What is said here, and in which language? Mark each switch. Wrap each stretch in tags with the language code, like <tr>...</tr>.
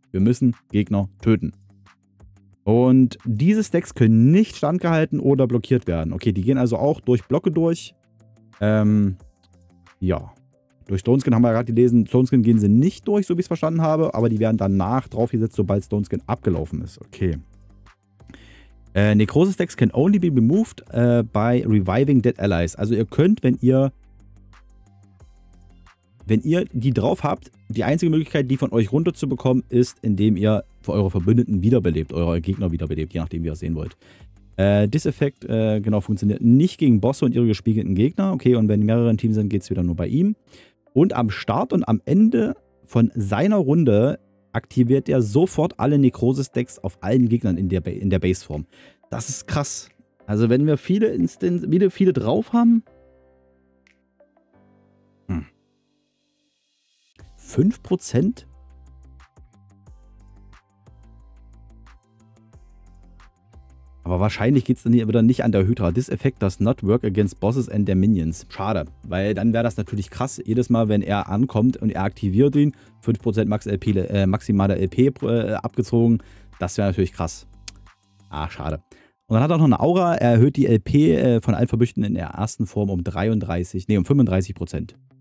<de>Wir müssen Gegner töten. Und diese Stacks können nicht standgehalten oder blockiert werden. Okay, die gehen also auch durch Blöcke durch. Ja. Durch Stoneskin haben wir ja gerade gelesen. Stoneskin gehen sie nicht durch, so wie ich es verstanden habe. Aber die werden danach draufgesetzt, sobald Stoneskin abgelaufen ist. Okay.</de> <en>Nekrosis-Stacks can only be removed by reviving dead allies.</en> <de>Also ihr könnt, wenn ihr die drauf habt, die einzige Möglichkeit, die von euch runterzubekommen, ist, indem ihr für eure Verbündeten wiederbelebt, eure Gegner wiederbelebt, je nachdem, wie ihr es sehen wollt. Dieser Effekt genau, funktioniert nicht gegen Bosse und ihre gespiegelten Gegner. Okay, und wenn mehrere im Team sind, geht es wieder nur bei ihm. Und am Start und am Ende von seiner Runde aktiviert er sofort alle Nekrosis-Decks auf allen Gegnern in der Base-Form. Das ist krass. Also wenn wir viele Instanz, wieder viele drauf haben... 5%? Aber wahrscheinlich geht es dann hier wieder nicht an der Hydra.</de> <en>This effect does not work against bosses and their minions.</en> <de>Schade, weil dann wäre das natürlich krass. Jedes Mal, wenn er ankommt und er aktiviert ihn, 5% max LP, maximale LP abgezogen. Das wäre natürlich krass. Ah, schade. Und dann hat er auch noch eine Aura. Er erhöht die LP von allen Verbüchten in der ersten Form um 35%.</de>